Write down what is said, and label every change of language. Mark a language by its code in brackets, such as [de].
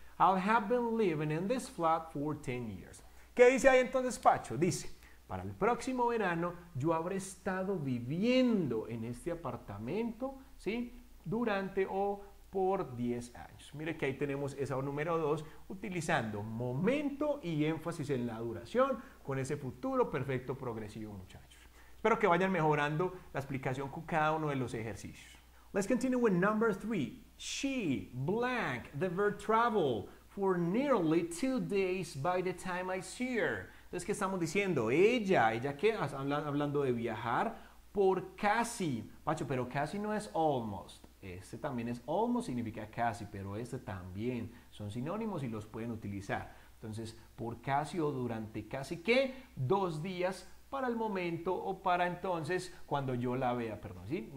[en] I'll have been living in this flat for 10 years. [es] ¿Qué dice ahí entonces, Pacho? Dice, para el próximo verano, yo habré estado viviendo en este apartamento, ¿sí? Durante o por 10 años. Mire que ahí tenemos esa número 2, utilizando momento y énfasis en la duración con ese futuro perfecto progresivo, muchachos. Espero que vayan mejorando la explicación con cada uno de los ejercicios. [en] Let's continue with number 3. She, blank, the verb travel for nearly 2 days by the time I see her. [es] Entonces, ¿qué estamos diciendo? ¿Ella qué? Hablando de viajar por casi. Pacho, pero casi no es almost. Este también es almost, significa casi, pero este también son sinónimos y los pueden utilizar. Entonces, por casi o durante casi qué, 2 días para el momento o para entonces cuando yo la vea, perdón, ¿sí?